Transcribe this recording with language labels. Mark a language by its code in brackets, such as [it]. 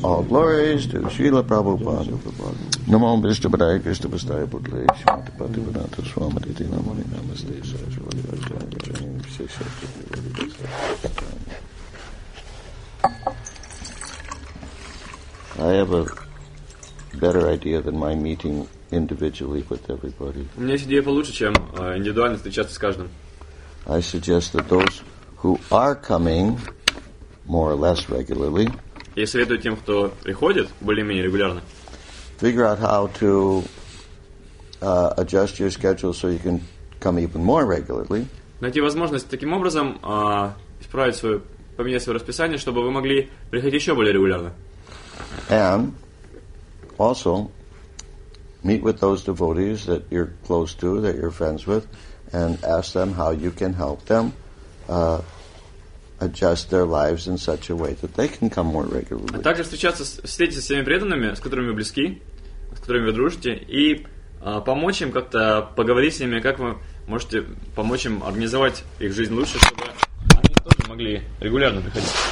[en] All glories to Srila Prabhupada. Namo Vishnu Padaya Krishna Vastaya Bhutale Shimata Pati Vedanta Swamati Dinamani Namaste Sajvali Vajjani Vajjani Vishishati Vajjani Vajjani. I have a better idea than my meeting individually with everybody. [ru] У меня есть идея получше, чем индивидуально встречаться с каждым. [en] I suggest that those who are coming more or less regularly. [ru] Я советую тем, кто приходит более-менее регулярно. [en] Figure out how to adjust your schedule so you can come even more regularly. [ru] Найти возможность таким образом исправить свое, поменять свое расписание, чтобы вы могли приходить еще более регулярно. [en] And also meet with those devotees that you're close to, that you're friends with, and ask them how you can help them adjust their lives in such a way that they can come more regularly. [ru] А также встретиться с теми преданными, с которыми вы близки, с которыми вы дружите, и помочь им как-то, поговорить с ними, как вы можете помочь им организовать их жизнь лучше, чтобы они тоже могли регулярно приходить.